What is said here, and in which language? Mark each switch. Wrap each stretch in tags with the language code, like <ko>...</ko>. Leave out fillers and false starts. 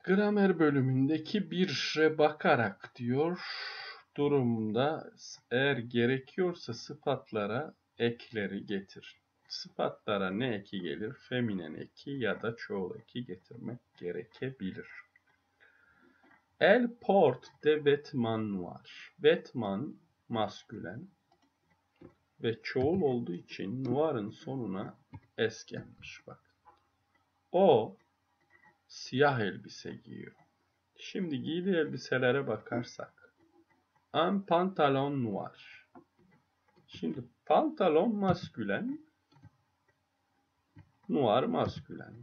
<tr>Gramer bölümündeki bir şeye bakarak diyor. Durumda eğer gerekiyorsa sıfatlara ekleri getir. Sıfatlara ne eki gelir? Feminen eki ya da çoğul eki getirmek gerekebilir.</tr> <fr>Elle porte des vêtements noirs.</fr> <tr>Vêtement maskülen ve çoğul olduğu için noir'ın sonuna es gelmiş. Bak. O siyah elbise giyiyor. Şimdi giydiği elbiselere bakarsak.</tr> <fr>Un pantalon noir.</fr> <tr>Şimdi pantalon maskülen, noir maskülen.</tr>